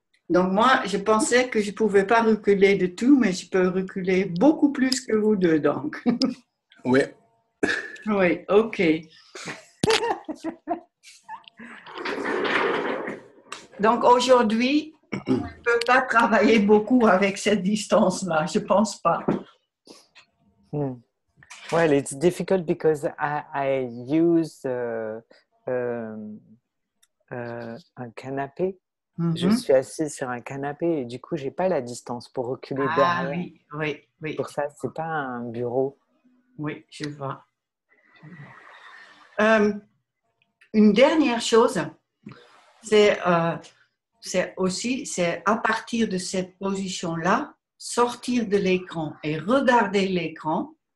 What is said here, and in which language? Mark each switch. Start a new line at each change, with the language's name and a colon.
French: Donc, moi, je pensais que je ne pouvais pas reculer de tout, mais je peux reculer beaucoup plus que vous deux, donc. Oui. Oui, OK. Donc, aujourd'hui, on ne peut pas travailler beaucoup avec cette distance-là. Je ne pense pas.
English: Well, it's difficult because I use
French: un canapé. Mm-hmm. Je suis assise sur un canapé et du coup, j'ai pas la distance pour reculer derrière. Ah oui. Pour ça, c'est pas un bureau. Oui, je vois. Une dernière chose, c'est à partir de cette position-là, sortir de l'écran et regarder l'écran.